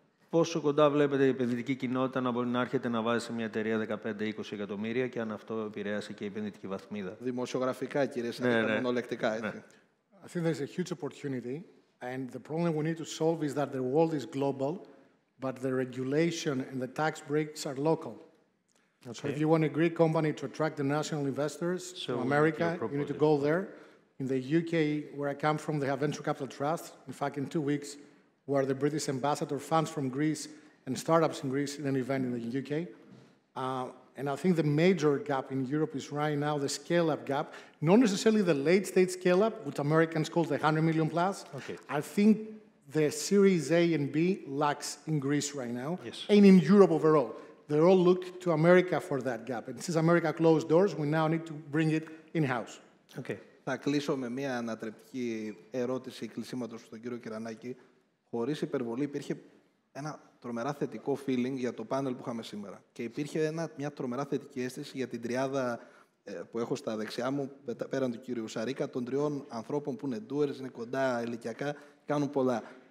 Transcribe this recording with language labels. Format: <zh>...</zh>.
<el>Πόσο κοντά βλέπετε η επενδυτική κοινότητα να μπορεί να έρχεται να βάζει σε μια εταιρεία 15-20 εκατομμύρια και αν αυτό επηρέασε και η επενδυτική βαθμίδα. Δημοσιογραφικά, κύριε Σαρίκα, μονολεκτικά. Ναι.</el> <en>I think there's a huge opportunity and the problem we need to solve is that the world is global but the regulation and the tax breaks are local. Okay. So if you want a Greek company to attract the national investors to America, you need to go there. In the UK, where I come from, they have venture capital trusts. In fact, in 2 weeks, we are the British ambassador funds from Greece and startups in Greece in an event in the UK. And I think the major gap in Europe is right now the scale-up gap, not necessarily the late-stage scale-up, which Americans call the 100 million plus. Okay. I think the Series A and B lacks in Greece right now, yes, and in Europe overall. they all look to America for that gap. And since America closed doors, we now need to bring it in-house. Okay.</en> <el>Θα κλείσω με μια ανατρεπτική ερώτηση κλεισίματος στον κύριο Κυρανάκη. Χωρίς υπερβολή, υπήρχε ένα τρομερά θετικό feeling για το πάνελ που είχαμε σήμερα. Και υπήρχε μια τρομερά θετική αίσθηση για την τριάδα που έχω στα δεξιά μου, πέραν του κύριου Σαρίκα, των τριών ανθρώπων που είναι doers, είναι κοντά ηλικιακά, κάνουν πολλά.</el>